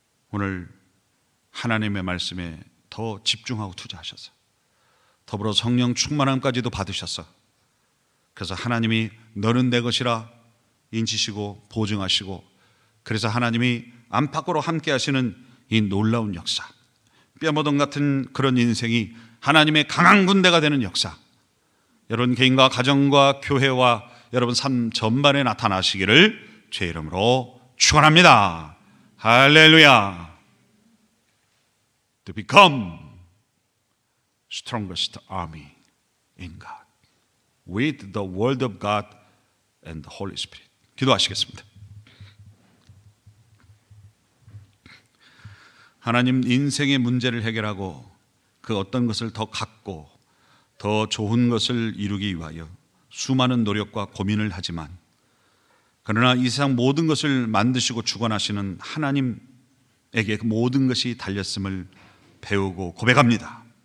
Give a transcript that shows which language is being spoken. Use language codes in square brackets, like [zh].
[ko] 오늘 하나님의 말씀에 더 집중하고 투자하셔서 더불어 성령 충만함까지도 받으셔서 그래서 하나님이 너는 내 것이라 인치시고 보증하시고 그래서 하나님이 안팎으로 함께 하시는 이 놀라운 역사, 뼈모동 같은 그런 인생이 하나님의 강한 군대가 되는 역사, 여러분 개인과 가정과 교회와 여러분 삶 전반에 나타나시기를 제 이름으로 축원합니다. 할렐루야. [en] To become strongest army in God with the word of God and the Holy Spirit. [ko] 기도하시겠습니다. 하나님, 인생의 문제를 해결하고 그 어떤 것을 더 갖고 더 좋은 것을 이루기 위하여 수많은 노력과 고민을 하지만 그러나 이 세상 모든 것을 만드시고 주관하시는 하나님에게 그 모든 것이 달렸음을 배우고 고백합니다.